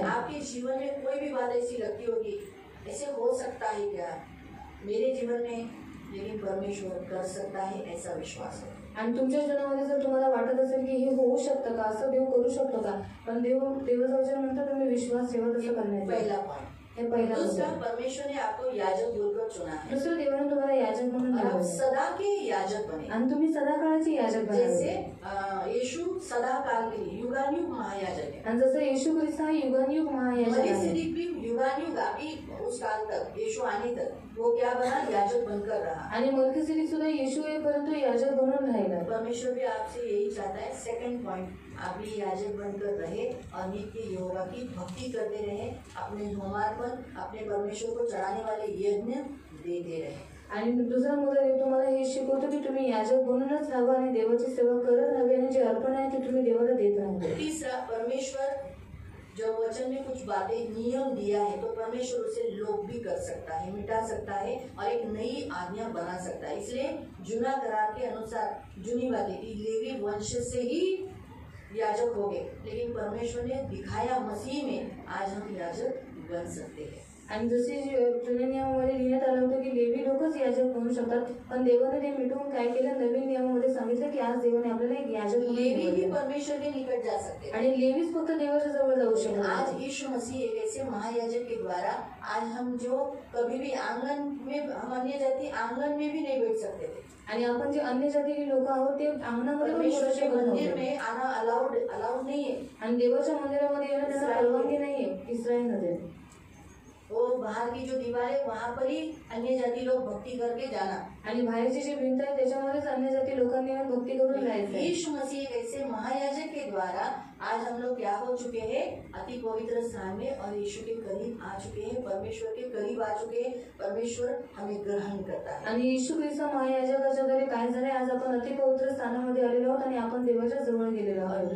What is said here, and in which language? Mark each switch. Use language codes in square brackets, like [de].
[hi] आपके जीवन में कोई भी बात ऐसी लगती होगी, ऐसे हो सकता है क्या मेरे जीवन में, लेकिन परमेश्वर कर सकता है ऐसा विश्वास है. [mr] आणि तुमच्या जीवनामध्ये जर तुम्हाला वाटत असेल की हे होऊ शकतं का, असं देव करू शकतो का, पण देव देवाचं म्हणतो तुम्ही विश्वास ठेवा तसं करण्याचं. [hi] पहिला पॉइंट [mr] हे पहिला. [hi] दुसरा, परमेश्वरने आपको याजक [mr] म्हणून [hi] चुना है. [mr] दुसरं, देवाने तुम्हाला याजक म्हणून [hi] सदा के याजक बने. [mr] आणि तुम्ही सदा काळाचे याजक बने. [hi] जसे येशू सदा काळ के युगानयुग महायाजक है. [mr] आणि जसं येशू ख्रिस्त हा युगानयुग महायाजक आहे. [hi] मरीसिदिक भी युगानयुग अभी उस काल तक येशू आने तक [mr] आणि मल्किसेदेक सुद्धा येशू आहे परंतु याजक बनून राहिला. [hi] परमेश्वर भी आपसे यही चाहता है. सेकंड पॉइंट, आपली याजक बनकर रहे और नित्य यहोवा की भक्ति करते रहे, अपने होमार्पण अपने परमेश्वर को चढ़ाने वाले यज्ञ देते रहे. [mr] आणि दुसरा मुद्दा देव तुम्हाला हे शिकवतो की तुम्ही याजक बनूनच राहावं आणि देवाची सेवा करत राहावी आणि जे अर्पण आहे ते तुम्ही देवाला देत राहावं. [hi] तिसरा, परमेश्वर जब वचन में कुछ बातें नियम दिया है तो परमेश्वर उसे लोप भी कर सकता है, मिटा सकता है और एक नई आज्ञा बना सकता है. इसलिए जुना करार के अनुसार जुनी बातें थी, लेवी वंश से ही याजक हो गए, लेकिन परमेश्वर ने दिखाया मसीह में आज हम याजक बन सकते हैं. [mr] आणि जसे जुन्या नियमामध्ये लिहिण्यात आलं होतं की लेवी लोकच याजक बनू शकतात, पण देवाने ते मिटवून काय केलं, नवीन नियमामध्ये सांगितलं की आज देवाने आपल्याला एक याजक [hi] परमेश्वर के निकट जा सकते [mr] आणि लेवीच फक्त देवाच्या जवळ जाऊ शकतो. [hi] आज येशू मसीह एक ऐसे महायाजक के द्वारा आज हम जो कभी भी आंगन में हम अन्य जाति आंगन में भी नहीं बैठ सकते थे. [mr] आणि आपण जे अन्य जातीचे लोक आहोत ते आंगणामध्ये मंदिर में आना अलाउड नाही आहे. आणि देवाच्या मंदिरामध्ये येणं त्यांना परवानगी नाही आहे. इस्रायलमध्ये [hi] वो बाहर की जो दीवार है वहां पर ही अन्य जाति लोग भक्ति करके जाना. [mr] आणि बाहेरची जी भिंत आहे त्याच्यामध्येच अन्य जाती लोकांनी येऊन भक्ति करून जायचं. [hi] येशू मसीह ऐसे महायाजक के द्वारा आज हम लोग क्या हो चुके है, अति पवित्र स्थान में और येशू के करीब आ चुके हैं, परमेश्वर के करीब आ चुके हैं, परमेश्वर हमें ग्रहण करता है. [mr] आणि येशू ख्रिस्त महायाजकाच्या द्वारे काय झालंय, आज आपण अति पवित्र स्थानामध्ये आलेलो आहोत आणि आपण देवाच्या जवळ गेलेलो आहोत.